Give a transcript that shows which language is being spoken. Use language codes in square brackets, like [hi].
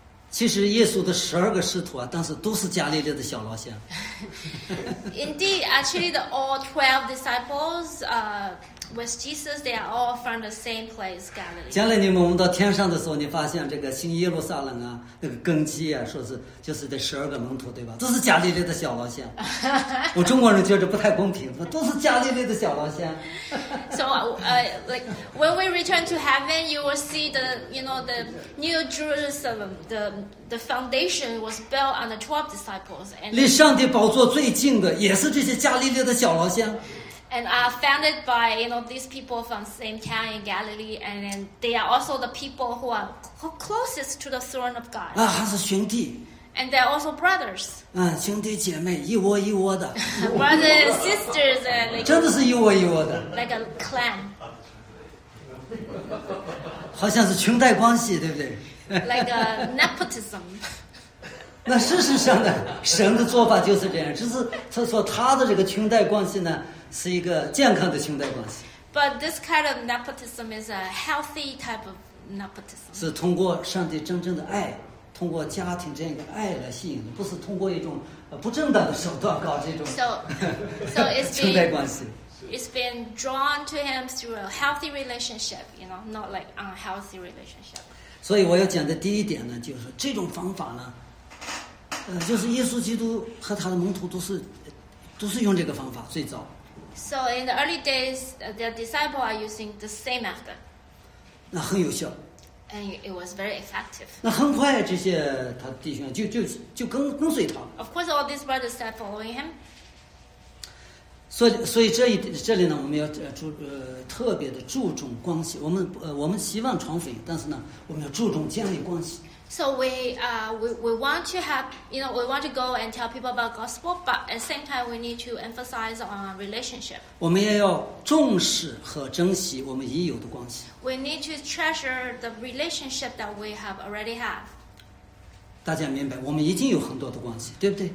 [zh] 其实耶稣的十二个使徒啊，当时都是加利利的小老乡。 [en] Indeed, actually, the all 12 disciples, with Jesus, they are all from the same place, Galilee. [zh] 将来你们我们到天上的时候，你发现这个新耶路撒冷啊，那个根基啊，说是就是这十二个门徒，对吧？都是加利利的小老乡。我中国人觉得不太公平，都是加利利的小老乡。 [en] So, like when we return to heaven, you will see the, you know, the new Jerusalem, the foundation was built on the 12 disciples. [zh] 离上帝宝座最近的也是这些加利利的小老乡。 [en] And are founded by, you know, these people from the same town in Galilee, and then they are also the people who are closest to the throne of God. [zh] 啊，还是兄弟。 [en] And they are also brothers. [zh] 嗯，兄弟姐妹一窝一窝的。 [en] Brothers and sisters, and like [zh] 真的是一窝一窝的。 [en] Like a clan. [zh] 好像是裙带关系，对不对？ [en] Like a nepotism. [zh] 那事实上呢，神的做法就是这样，只是他说他的这个裙带关系呢。是一个健康的兄弟关系。 [en] But this kind of nepotism is a healthy type of nepotism. [zh] 是通过上帝真正的爱，通过家庭这样的爱来吸引的，不是通过一种不正当的手段搞这种 [en] so it's been, [zh] 兄弟关系。 [en] It's been drawn to him through a healthy relationship, you know, not like unhealthy relationship. [zh] 所以我要讲的第一点呢，就是这种方法呢，就是耶稣基督和他的门徒都是用这个方法最早。 [en] So in the early days, the disciples are using the same method. [zh] 那很有效。 [en] And it was very effective. [zh] 那很快，这些他弟兄就跟随他。 [en] Of course, all these brothers start following him. [zh] 所以这里呢，我们要特别的注重关系。我们希望传福音，但是呢，我们要注重建立关系。 [en] So we want to have, you know, we want to go and tell people about gospel, but at the same time we need to emphasize on relationship. [zh] 我们也要重视和珍惜我们已有的关系。 [en] We need to treasure the relationship that we have already have. [zh] 大家明白，我们已经有很多的关系，对不对？